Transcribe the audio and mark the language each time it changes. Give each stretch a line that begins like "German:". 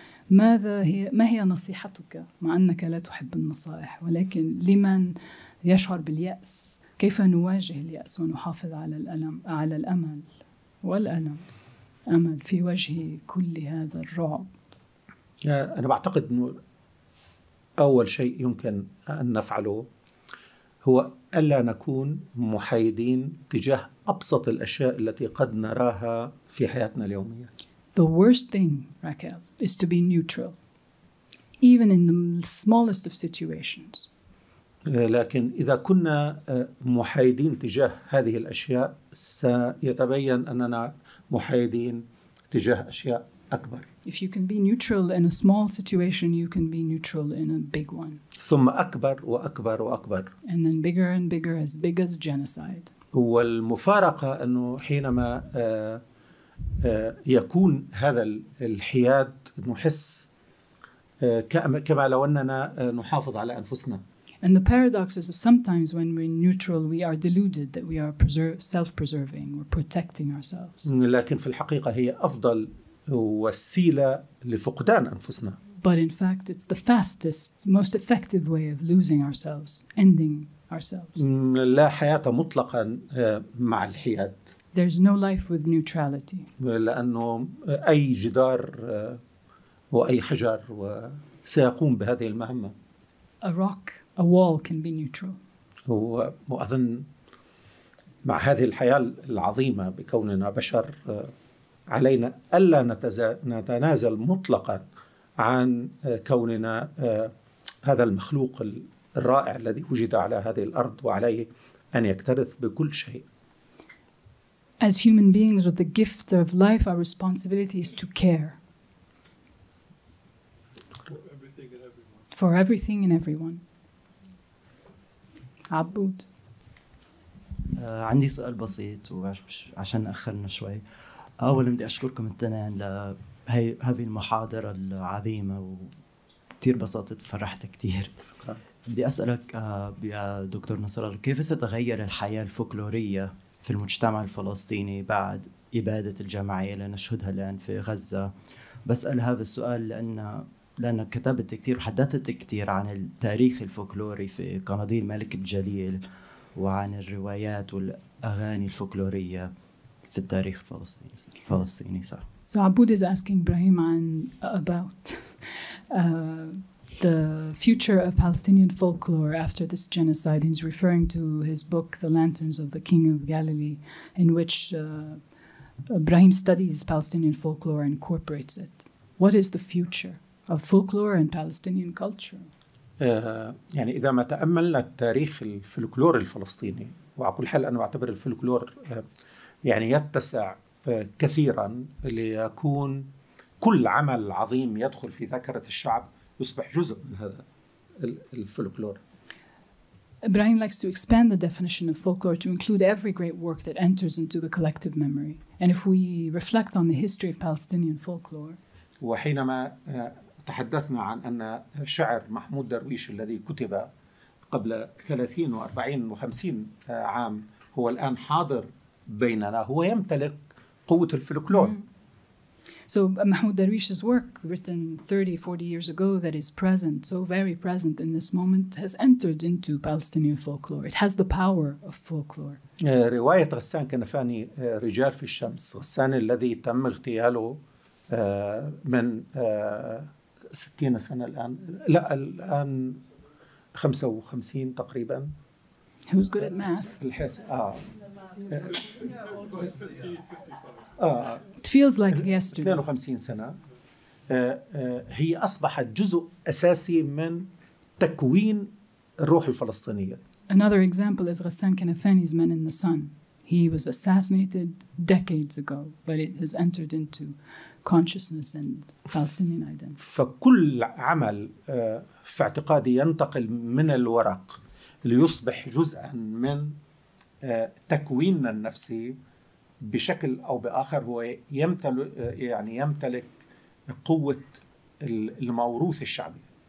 Arabic: ماذا هي, ما هي نصيحتك مع أنك لا تحب النصائح ولكن لمن يشعر باليأس كيف نواجه اليأس ونحافظ على الألم على الأمل والألم أمل في وجه كل هذا الرعب. أنا بعتقد أنه أول شيء يمكن أن نفعله هو ألا نكون محايدين تجاه أبسط الأشياء التي قد نراها في حياتنا اليومية.
English: The worst thing, Raquel, is to be neutral, even in the smallest of situations.
Arabic: لكن إذا كنا محايدين تجاه هذه الأشياء سيتبين أننا محايدين تجاه أشياء أكبر.
English: If you can be neutral in a small situation, you can be neutral in a big one.
Arabic: ثم أكبر وأكبر وأكبر.
English: And then bigger and bigger, as big as genocide.
Arabic: والمفارقة أنه حينما يكون هذا الحياد نحس كما لو أننا نحافظ على أنفسنا.
English: And the paradox is that sometimes when we're neutral, we are deluded that we are self-preserving or protecting ourselves.
Arabic: لكن في الحقيقة هي أفضل وسيلة لفقدان أنفسنا.
English: But in fact, it's the fastest, most effective way of losing ourselves, ending ourselves.
Arabic: لا حياة مطلقا مع الحياد.
English: There's no life with neutrality.
Arabic: لأنه أي جدار وأي حجر سيقوم بهذه المهمة.
English: A rock, a wall can be neutral.
Arabic: وأظن مع هذه الحياة العظيمة بكوننا بشر علينا ألا نتنازل مطلقا عن كوننا هذا المخلوق الرائع الذي وجد على هذه الأرض وعليه أن يكترث بكل شيء.
English: As human beings with the gift of life, our responsibility is to care for everything and everyone.
Arabic: عبود. عندي سؤال بسيط وعشان أخرنا شوي. أولا بدي أشكركم الاثنين لهي هذه المحاضرة العظيمة وكتير بساطة فرحت كتير. بدي أسألك يا دكتور نصر الله كيف ستغير الحياة الفولكلورية في المجتمع الفلسطيني بعد إبادة الجماعية اللي نشهدها الآن في غزة. بسأل هذا السؤال لأنك كتبت كتير حدثت كتير عن التاريخ الفولكلوري في قناديل ملك الجليل وعن الروايات والأغاني الفولكلورية في التاريخ الفلسطيني. صح.
English: So Abud is asking Ibrahim about the future of Palestinian folklore after this genocide. He's referring to his book, The Lanterns of the King of Galilee, in which Ibrahim studies Palestinian folklore and incorporates it. What is the future of folklore and Palestinian culture?
Arabic: يعني إذا ما تأملنا التاريخ الفلكلور الفلسطيني وعقول حال أنا أعتبر الفلكلور يعني يتسع كثيرا ليكون كل عمل عظيم يدخل في ذاكرة الشعب يصبح جزء من هذا الفولكلور.
English: Ibrahim likes to expand the definition of folklore to include every great work that enters into the collective memory. And if we reflect on the history of Palestinian folklore,
Arabic: وحينما تحدثنا عن أن شعر محمود درويش الذي كتب قبل 30 و40 و50 عام هو الآن حاضر بيننا هو يمتلك قوة الفولكلور.
English: So Mahmoud Darwish's work written 30, 40 years ago that is present, so very present in this moment, has entered into Palestinian folklore. It has the power of folklore.
Arabic: رواية غسان كنفاني رجال في الشمس غسان الذي تم اغتياله من 60 سنة الآن لا الآن 55 تقريبا.
English: Who's good at math?
Arabic: الحس
English: It feels like yesterday.
Arabic: 52 سنة هي أصبحت جزء أساسي من تكوين الروح الفلسطينية.
English: Another example is Ghassan Kanafani's Men in the Sun. He was assassinated decades ago, but it has entered into consciousness and Palestinian identity.
Arabic: فكل عمل في اعتقادي ينتقل من الورق ليصبح جزءا من تكويننا النفسي بشكل أو بآخر هو يمتلك قوة الموروث الشعبي.